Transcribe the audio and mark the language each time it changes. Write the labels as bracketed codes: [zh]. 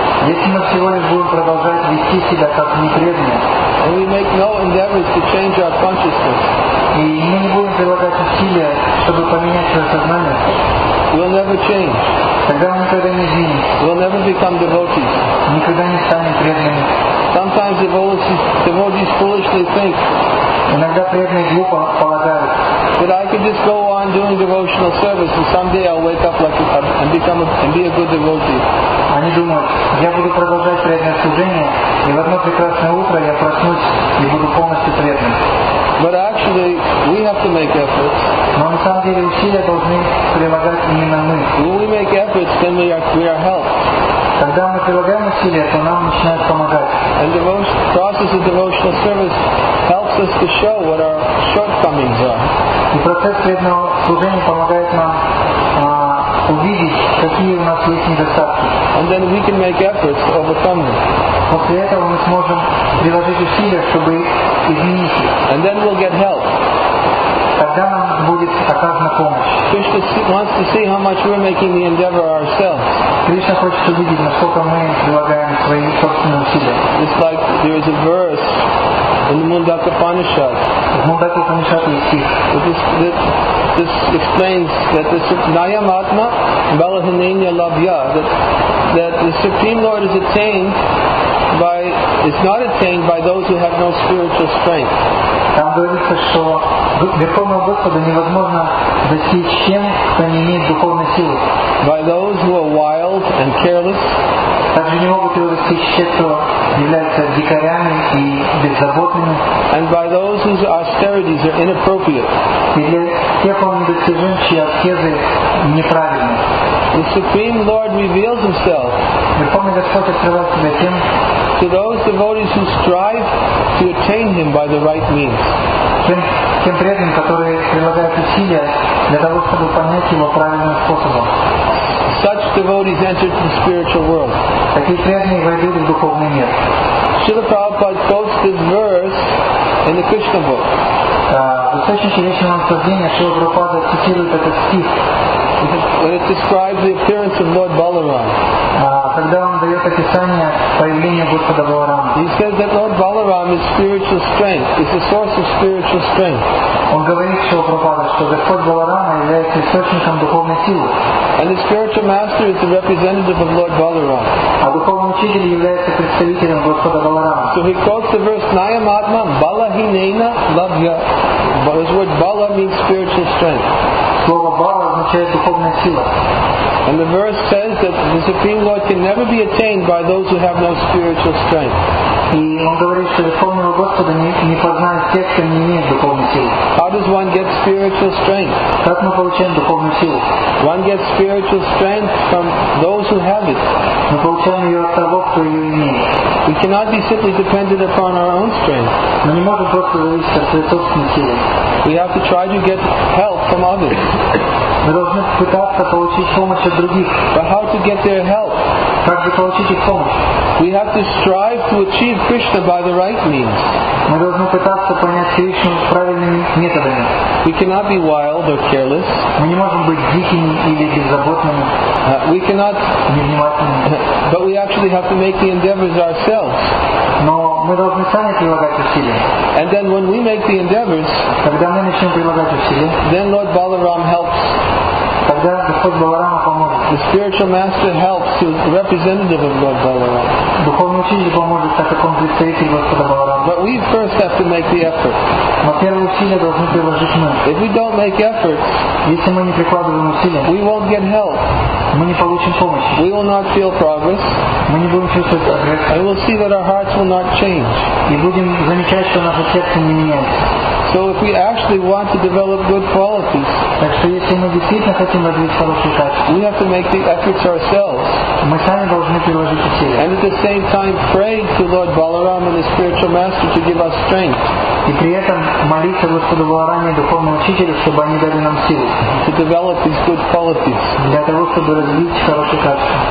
[ru] если мы всего лишь будем продолжать вести себя как непреданные, [en] and we make no endeavors to change our consciousness, [ru] и мы не будем прилагать усилия, чтобы поменять свое сознание, [en] we'll never change. [ru] Тогда мы никогда не изменимся. [en] We'll never become devotees. [ru] Никогда не станем преданными. [en] Sometimes devotees foolishly think, [ru] иногда преданные глупо полагают, [en] that I could just go on doing devotional service and someday I'll wake up like a, and become a, and be a good devotee. [ru] Они думают, я буду продолжать преданное служение, и в одно прекрасное утро я проснусь и буду полностью преданным. [en] But actually, we have to make efforts. [ru] Но на самом деле усилия должны прилагать именно мы. [en] When we make efforts, then we are helped. [ru] Когда мы прилагаем усилия, то нам начинают помогать. [en] And the process of devotional service helps us to show what our shortcomings are. [ru] И процесс преданного служения помогает нам увидеть, какие у нас есть недостатки. [en] And then we can make efforts to overcome them. [ru] После этого мы сможем приложить усилия, чтобы изменить их. [en] And then we'll get help. [ru] Тогда нам будет оказана помощь. [en] Krishna wants to see how much we're making the endeavor ourselves. [ru] Krishna хочет увидеть, насколько мы прилагаем свои собственные усилия. [en] It's like there is a verse in the Mundaka Upanishad. Mundaka Upanishad is here. This explains that the Nayamatma Balahinanya Labhya, that the Supreme Lord is attained by, it's not attained by those who have no spiritual strength. [ru] Там говорится, что Верховного Господа невозможно достичь тем, кто не имеет духовной силы. [en] By those who are wild and careless. [ru] Также не могут его достичь те, кто являются дикарями и беззаботными. [en] And by those whose austerities are inappropriate. [ru] Или тех, кому недостижим, чьи аскезы неправильны. [en] The Supreme Lord reveals Himself. [ru] Верховный Господь открывает себя тем, [en] to those devotees who strive to attain Him by the right means. [ru] Тем преданным, которые прилагают усилия для того, чтобы понять Его правильным способом. [en] Such devotees entered the spiritual world. [ru] Такие преданные войдут в духовный мир. [en] Srila Prabhupada quotes this verse in the Krishna book. [ru] В источнике вечного наслаждения Srila Prabhupada цитирует этот стих. [en] When it describes the appearance of Lord Balaram. [ru] Когда он дает описание появления Господа Баларама. [en] He says that Lord Balaram is spiritual strength. It's the source of spiritual strength. [ru] Он говорит, что Прабхупада, что Господь Баларама является источником духовной силы. [en] And the spiritual master is the representative of Lord Balaram. [ru] А духовный учитель является представителем Господа Баларама. [en] So he quotes the verse Nayamatma Balahinena Labhya. But his word Bala means spiritual strength. [ru] Слово Бала означает духовная сила. [en] And the verse says that the Supreme Lord can never be attained by those who have no spiritual strength. [ru] И он говорит, что Верховного Господа не познает тех, кто не имеет духовной силы. [en] How does one get spiritual strength? [ru] Как мы получаем духовную силу? [en] One gets spiritual strength from those who have it. [ru] Мы получаем ее от того, кто ее имеет. [en] We cannot be simply dependent upon our own strength. [ru] Мы не можем просто зависеть от своей собственной силы. [en] We have to try to get help from others. [ru] Мы должны пытаться получить помощь от других. [en] But how to get their help? [ru] Также получите помощь. [en] We have to strive to achieve Krishna by the right means. [ru] Мы должны пытаться понять Кришну правильными методами. [en] We cannot be wild or careless. [ru] Мы не можем быть дикими или беззаботными. [en] We cannot. [ru] Невнимательными. [en] But we actually have to make the endeavors ourselves. [ru] Но мы должны сами прилагать усилия. [en] And then when we make the endeavors, [ru] когда мы начнем прилагать усилия, [en] then Lord Balaram helps. [ru] Тогда Господь Баларама поможет. [en] The spiritual master helps, the representative of Lord Balaram. [ru] Духовный учитель поможет, так как он представитель Господа Баларама. [en] But we first have to make the effort. [ru] Но первые усилия должны приложить мы. [en] If we don't make efforts, [ru] если мы не прикладываем усилия, [en] we won't get help. [ru] Мы не получим помощи. [en] We will not feel progress. [ru] Мы не будем чувствовать прогресс. [en] And we'll see that our hearts will not change. [ru] И будем замечать, что наше сердце не меняется. [en] So if we actually want to develop good qualities, [ru] так что если мы действительно хотим развить хорошие качества, [en] we have to make the efforts ourselves. [ru] Мы сами должны приложить усилия. [en] And at the same time pray to Lord Balaram and the spiritual master to give us strength. [ru] И при этом молиться Господу Баларами и духовному учителю, чтобы они дали нам силы. [en] To develop these good qualities. [ru] Для того, чтобы развить хорошие качества.